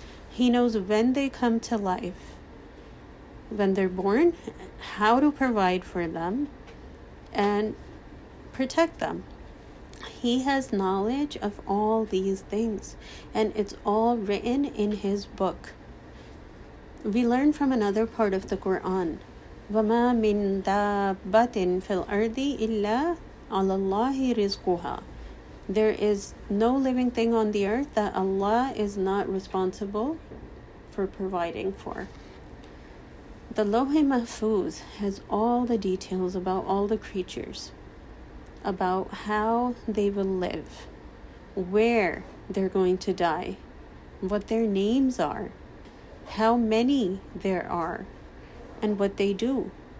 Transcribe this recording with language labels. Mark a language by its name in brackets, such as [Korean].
[English] He knows when they come to life, when they're born, how to provide for them and protect them. He has knowledge of all these things, and it's all written in His book. We learn from another part of the Quran, [Arabic] وَمَا مِن دَابَّةٍ فِي الْأَرْضِ إِلَّا عَلَى اللَّهِ رِزْقُهَا. [English] There is no living thing on the earth that Allah is not responsible for providing for. The Lohi Mahfuz has all the details about all the creatures, about how they will live, where they're going to die, what their names are, how many there are, and what they do.